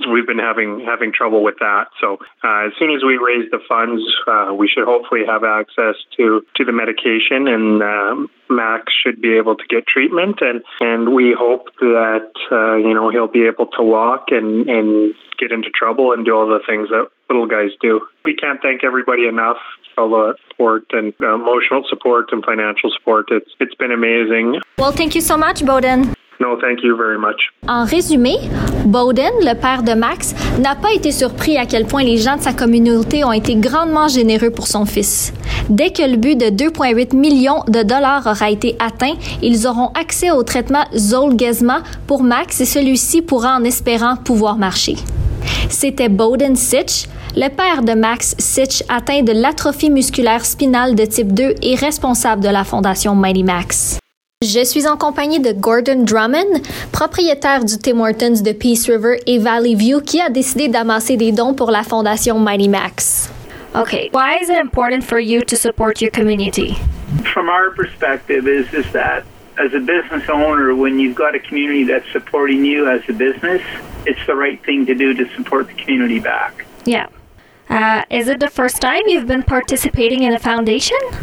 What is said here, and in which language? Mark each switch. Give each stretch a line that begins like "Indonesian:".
English: We've been having trouble with that. So as soon as we raise the funds, we should hopefully have access to the medication, and Max should be able to get treatment. And we hope that, he'll be able to walk and get into trouble and do all the things that little guys do. We can't thank everybody enough for all the support and emotional support and financial support. It's been amazing. Well, thank you so much, Bowden. No, thank you very much.
French: En résumé, Bowden, le père de Max, n'a pas été surpris à quel point les gens de sa communauté ont été grandement généreux pour son fils. Dès que le but de 2,8 millions de dollars aura été atteint, ils auront accès au traitement Zolgensma pour Max et celui-ci pourra, en espérant, pouvoir marcher. C'était Bowden Sitch, le père de Max Sitch, atteint de l'atrophie musculaire spinale de type 2 et responsable de la fondation Mighty Max. Je suis en compagnie de Gordon Drummond, propriétaire du Tim Hortons de Peace River et Valley View, qui a décidé d'amasser des dons pour la fondation Mighty Max.
English: Okay, why is it important for you to support your community? From our perspective is that as a business owner, when you've got a community that's supporting you as a business, it's the right thing to do to support the community back. Yeah. Is it the first time you've been participating in a foundation?